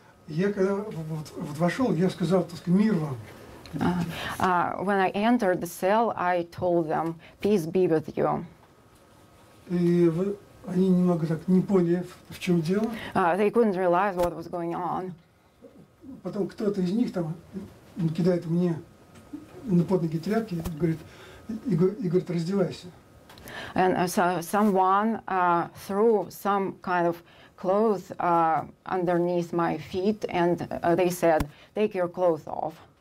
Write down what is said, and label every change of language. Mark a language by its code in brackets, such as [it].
[ru] Я когда вот вошел, я сказал, так сказать, мир вам. [en] When I entered the cell, I told them, peace be with you. [ru] Они немного так не поняли, в чем дело. [en] They couldn't realize what was going on. [ru] Потом кто-то из них там кидает мне на под ноги тряпки и говорит, раздевайся. [en] And so someone threw some kind of clothes underneath my feet, and they said, take your clothes off.